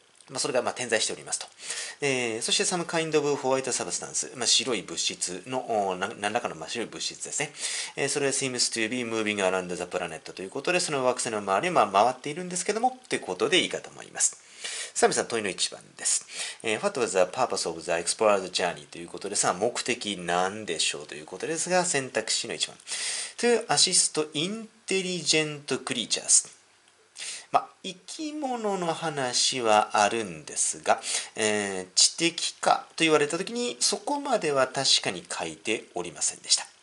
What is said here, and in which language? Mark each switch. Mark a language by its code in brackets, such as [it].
[ja] まあ、それが、まあ、点在しておりますと。そして、 [en] some kind of white substance、 [ja] まあ、白い物質の、何らかの白い物質ですね。それは [en] seems to be moving around the planet [ja] ということで、その惑星の周りは、まあ、回っているんですけども、ということでいいかと思います。さあ皆さん、問いの1番です。 [en] What was the purpose of the explorer's journey? [ja] ということで、さあ、目的なんでしょうということですが、選択肢の1番。 [en] To assist intelligent creatures。 [ja] まあ、生き物の話はあるんですが、知的かと言われたときに、そこまでは確かに書いておりませんでした。